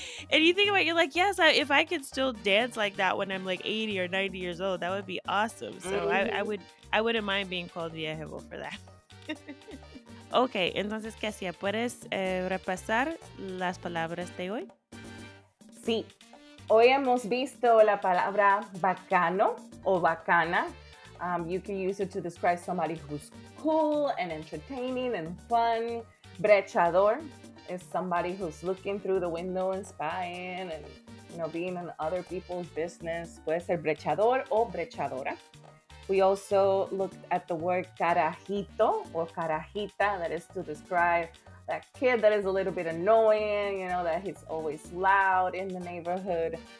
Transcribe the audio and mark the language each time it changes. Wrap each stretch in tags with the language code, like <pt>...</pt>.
<en>And you think about it, you're like, "Yes, if I could still dance like that when I'm like 80 or 90 years old, that would be awesome." So I wouldn't mind being called viejevo for that.</en> <es>Okay, entonces, Kasia, ¿puedes repasar las palabras de hoy? Sí. Hoy hemos visto la palabra bacano o bacana.</es> <en>You can use it to describe somebody who's cool and entertaining and fun. Brechador is somebody who's looking through the window and spying and, you know, being in other people's business.</en> <es>Puede ser brechador o brechadora.</es> <en>We also looked at the word carajito or carajita, that is to describe that kid that is a little bit annoying, you know, that he's always loud in the neighborhood.</en>